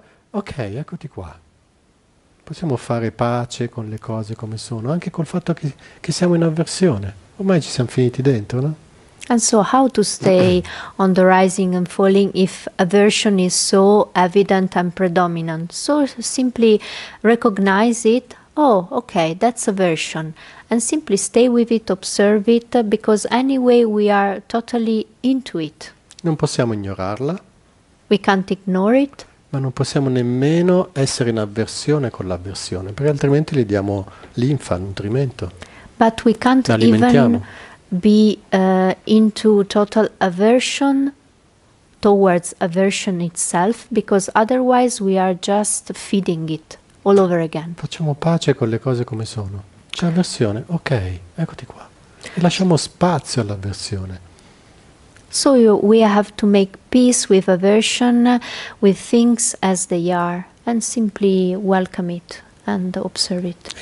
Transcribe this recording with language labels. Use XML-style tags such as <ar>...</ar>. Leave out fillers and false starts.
<it>Ok, eccoti qua. Possiamo fare pace con le cose come sono, anche col fatto che siamo in avversione. Ormai ci siamo finiti dentro,</it> <en>And so, how to stay on the rising and falling if aversion is so evident and predominant? So, simply recognize it. Oh, okay, that's aversion. And simply stay with it, observe it, because anyway we are totally into it.</en> <it>Non possiamo ignorarla, ma</it> <en>We can't ignore it.</en> <it>non possiamo nemmeno essere in avversione con l'avversione, perché altrimenti gli diamo linfa, nutrimento,</it> <en>But we can't even.</en> <it>l'alimentiamo.</it> <en>Be into total aversion towards aversion itself, because otherwise we are just feeding it all over again.</en> <it>Facciamo pace con le cose come sono. C'è avversione? Ok, eccoti qua. E lasciamo spazio all'avversione.</it> <en>So we have to make peace with aversion, with things as they are, and simply welcome it and observe it.</en>